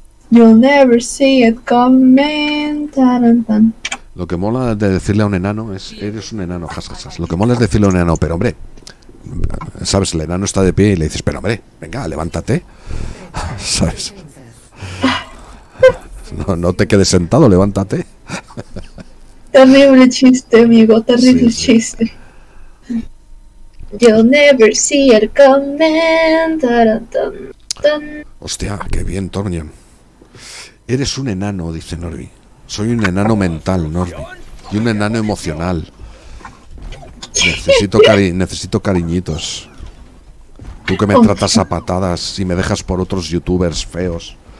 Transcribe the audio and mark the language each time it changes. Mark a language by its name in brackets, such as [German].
[English] You'll never see it coming. Tarantan. [Spanish] Lo que mola de decirle a un enano es: eres un enano, jajajas. Lo que mola es decirle a un enano, pero hombre, ¿sabes? El enano está de pie y le dices: pero hombre, venga, levántate. ¿Sabes? No, no te quedes sentado, levántate. Terrible chiste, amigo, terrible sí, sí. Chiste. [English] You'll never see it coming. Tarantan. [Spanish] Hostia, qué bien, Tornion. Eres un enano, dice Norby. Soy un enano mental, Norby. Y un enano emocional. Necesito cariñitos. Tú que me tratas a patadas y me dejas por otros youtubers feos.